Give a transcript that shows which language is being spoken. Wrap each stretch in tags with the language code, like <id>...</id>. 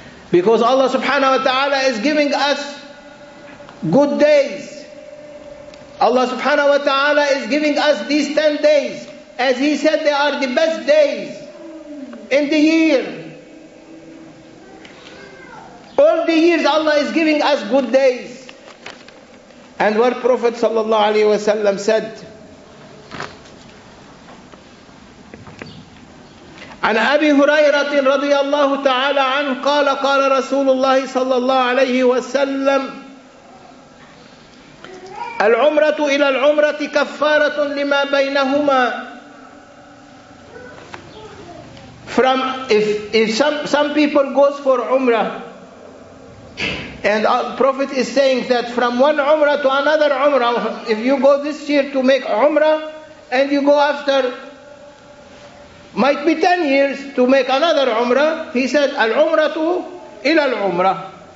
<en>Because Allah subhanahu wa ta'ala is giving us good days. Allah subhanahu wa ta'ala is giving us these 10 days. As he said, they are the best days in the year. All the years Allah is giving us good days. And what Prophet sallallahu alayhi wa sallam said,</en> <ar>عن أبي هريرة رضي الله تعالى عنه قال قال رسول الله صلى الله عليه وسلم العمرة إلى العمرة كفارة لما بينهما.</ar> <en>From if some people goes for Umrah, and Prophet is saying that from one Umrah to another Umrah, if you go this year to make Umrah and you go after, might be 10 years to make another Umrah, he said,</en> <ar>Al-Umratu ila Al-Umrah.</ar>